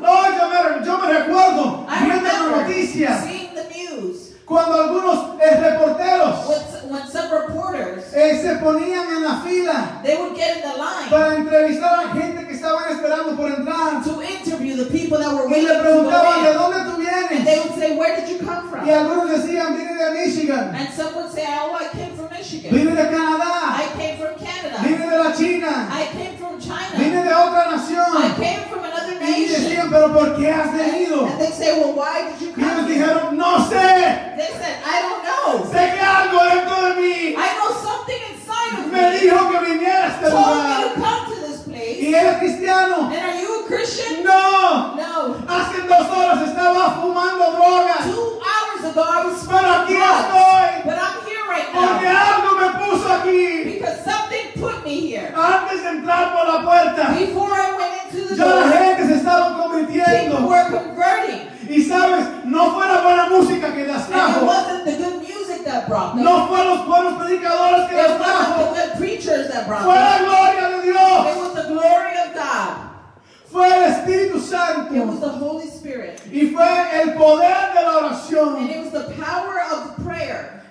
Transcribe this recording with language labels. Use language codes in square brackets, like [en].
[es] Oh, yo me recuerdo. [en] I remember [es] la noticia. [en] Seeing the news. [es] Cuando algunos reporteros. [en] When some reporters. [es] Se ponían en la fila. [en] They would get in the line. [es] Para entrevistar a la gente que estaban esperando por entrar. [en] To interview the people that were waiting. [es] Y le preguntaban, ¿de dónde tú vienes? [en] And they would say, where did you come from? [es] Y algunos decían, vine de Michigan. [en] And some would say, oh, I came from Michigan. [es] Vine de Canadá. [en] I came from Canada. [es] Vine de la China. [en] I came from China. [es] Vine de otra nación. [en] I came from another nation. [es] Y decían, ¿pero por qué has venido? [en] And they say, well, why did you come? [es] Y ellos dijeron, no sé. [en] They said, I don't know. [es] Sé que algo dentro de mí. [en] I know something inside of me. [es] Me dijo que viniera a este [en] told [es] lugar. [en] Told me to come to this place. [es] Y eres cristiano. [en] And are you a Christian? [es] No. [en] No. [es] Hace 2 horas estaba fumando drogas. [en] 2 hours ago I was smoking drugs. [es] Estoy. [en] But I'm here right now. [es] Porque algo me puso aquí. [en] Because something put me here. [es] Antes de entrar por la puerta. [en] Before I went into the [es] ya [en] door. [es] Ya la gente se estaba convirtiendo. [en] People were converting. [es] Y sabes, no fue la buena música que las trajo. [en] And it wasn't the good music that brought them. [es] No fue los [en] that brought [es] fue la gloria de Dios. [en] It was the glory of God. [es] Fue el Espíritu Santo. [en] It was the Holy Spirit. [es] Y fue el poder de la oración. [en] And it was the power of prayer.